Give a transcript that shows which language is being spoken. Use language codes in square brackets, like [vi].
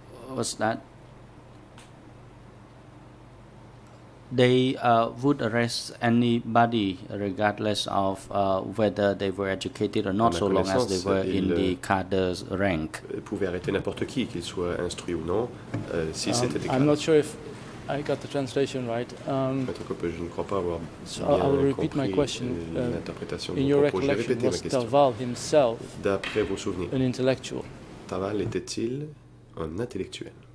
[en] was that they would arrest anybody regardless of whether they were educated or not, so long as they were in the cadre's rank. [fr] Pouvait arrêter n'importe qui, qu'il soit instruit ou non, si c'était [en] I'm not sure if I got the translation right. I'll repeat my question. In your recollection, was Tabao himself an intellectual? [fr] Tabao était-il un intellectuel?